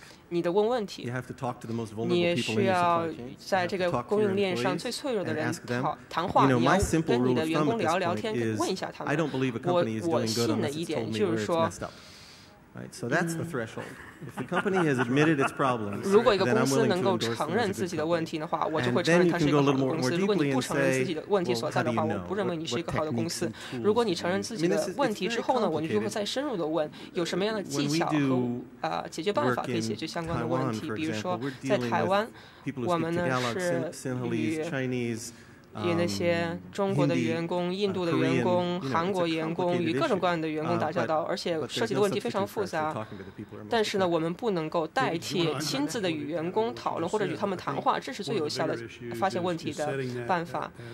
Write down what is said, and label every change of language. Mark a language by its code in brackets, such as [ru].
[zh] 你得问问题，你需要在这个供应链上最脆弱的人谈话，你要跟你的员工聊聊天，问一下他们。我信的一点就是说， [en] Right? So that's the threshold. If the company has admitted its problems, then I'm willing to endorse it as a good company. And then you can go a little more deeply and say, well, how do you know? What technique and tools are you using? I mean, it's very complicated. When we do work in Taiwan, for example, we're dealing with people who speak Tagalog, Sinhalese, Chinese, [zh] 与那些中国的员工、印度的员工、 韩国员工与各种各样的员工打交道 而且涉及的问题非常复杂 但是呢我们不能够代替亲自的与员工讨论 或者与他们谈话 这是最有效的发现问题的办法